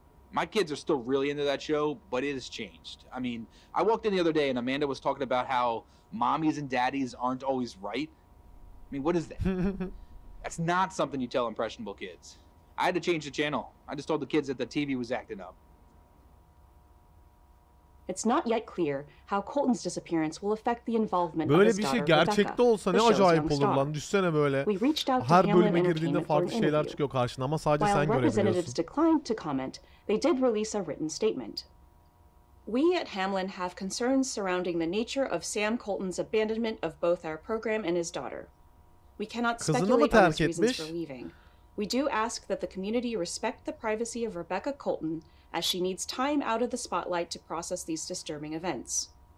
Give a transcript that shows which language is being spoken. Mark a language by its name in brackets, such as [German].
[English] My kids are still really into that show, but it has changed. I mean, I walked in the other day and Amanda was talking about how mommies and daddies aren't always right. I mean, what is that? That's not something you tell impressionable kids. I had to change the channel. I just told the kids that the TV was acting up. It's not yet clear how Colton's disappearance will affect the involvement [Turkish] böyle Böyle bir şey gerçekte olsa ne acayip olur lan. Düşsene böyle. Her bölüme girdiğinde farklı şeyler çıkıyor karşına ama sadece [English] while [Turkish] sen görebiliyorsun. [English] They did release a written statement. We at Hamlin have concerns surrounding the nature of Sam Colton's abandonment of both our program and his daughter. We cannot speculate on his reasons for leaving. We do ask that the community respect the privacy of Rebecca Colton as she needs time out of the spotlight to process these disturbing events.